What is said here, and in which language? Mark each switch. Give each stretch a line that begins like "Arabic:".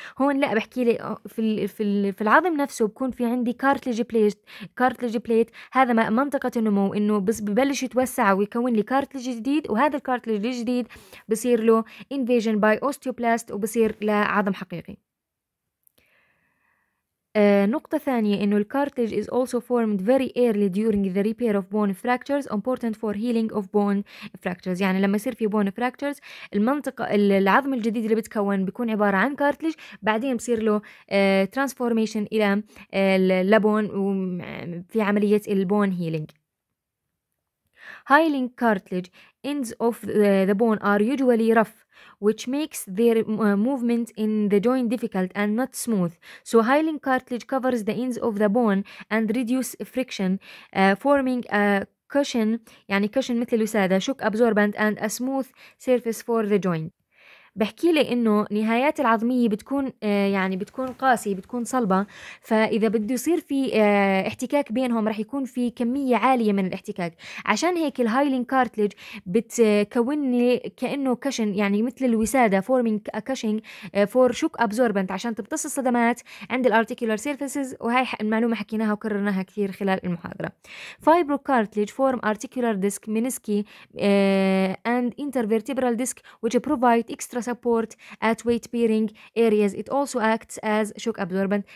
Arabic: هون لا بحكي لي في العظم نفسه بكون في عندي كارتليج بليت هذا منطقه النمو انه بس ببلش يتوسع ويكون لي كارتليج جديد وهذا الكارتليج الجديد بصير له انفيجن باي اوستيوبلاست وبصير لعظم حقيقي. نقطة ثانية إنه الكارتليج
English: is also formed very early during the repair of bone fractures important for healing of bone fractures.
Arabic: يعني لما يصير في bone fractures المنطقة العظم الجديد اللي بتكون بيكون عبارة عن كارتليج بعدين بصير له transformation إلى لبون في عملية البون healing.
English: Healing cartilage ends of the bone are usually rough which makes their movement in the joint difficult and not smooth. So hyaline cartilage covers the ends of the bone and reduce friction forming a cushion,
Arabic: يعني
English: cushion مثل الوسادة, shock absorbent and a smooth surface for the joint.
Arabic: بحكي لي انه نهايات العظمية بتكون يعني بتكون قاسية بتكون صلبة فاذا بده يصير في احتكاك بينهم رح يكون في كمية عالية من الاحتكاك. عشان هيك الهايلين كارتليج بتكونني كأنه كشن يعني مثل الوسادة
English: forming a cushion for shock absorbent
Arabic: عشان تمتص الصدمات عند الارتيكولار سيرفيسز. وهي المعلومة حكيناها وكررناها كثير خلال المحاضرة.
English: Fibrocartilage form articular disc meniscus and intervertebral disc which provide extra support at weight bearing areas. It also acts as shock absorbent.